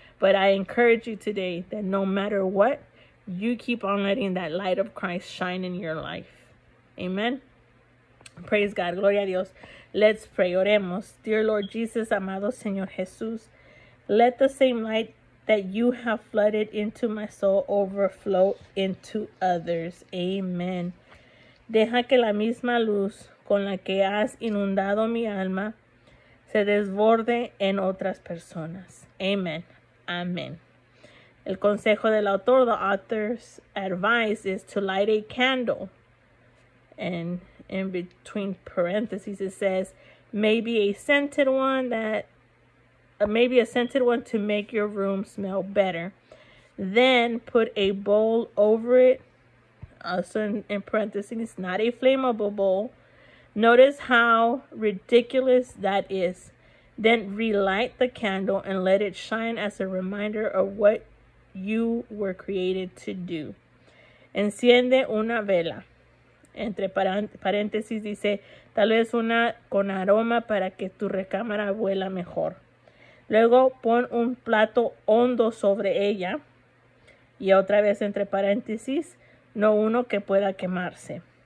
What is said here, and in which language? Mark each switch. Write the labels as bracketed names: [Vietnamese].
[English] But I encourage you today that no matter what, you keep on letting that light of Christ shine in your life. Amen. Praise God. [Spanish] Gloria a Dios. [English] Let's pray. [Spanish] Oremos. [English] Dear Lord Jesus, [Spanish] amado Señor Jesús, [English] let the same light that you have flooded into my soul overflow into others. Amen. [Spanish] Deja que la misma luz con la que has inundado mi alma se desborde en otras personas. [English] Amen. Amen. [Spanish] El consejo del autor, [English] the author's advice, is to light a candle. And in between parentheses, it says, maybe a scented one to make your room smell better. Then put a bowl over it. Also in parentheses, not a flammable bowl. Notice how ridiculous that is. Then relight the candle and let it shine as a reminder of what you were created to do. [Spanish] Enciende una vela. Entre paréntesis dice, tal vez una con aroma para que tu recámara huela mejor. Luego pon un plato hondo sobre ella. Y otra vez entre paréntesis, no uno que pueda quemarse.